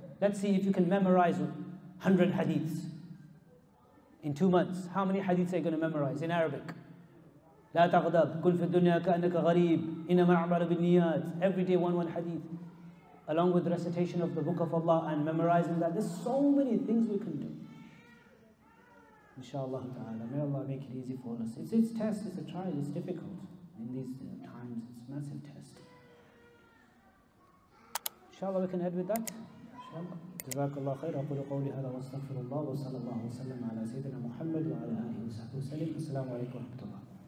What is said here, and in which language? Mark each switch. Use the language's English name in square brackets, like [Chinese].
[English] Let's see if you can memorize 100 hadiths in 2 months. How many hadiths are you going to memorize in Arabic? [Arabic] لا تغضب كن في الدنيا كأنك غريب إنما أعمل بالنيات. [English] Every day one hadith, along with recitation of the Book of Allah and memorizing that. There's so many things we can do. Inshallah ta'ala, may Allah make it easy for us. It's a test, it's a trial, it's difficult in these times. It's a massive test. Inshallah, we can end with that. [Arabic] جزاك الله خير أقول قولي هذا واستغفر الله وصلى الله وسلم على سيدنا محمد وعلى آله وصحبه وسلم. السلام عليكم ورحمة الله.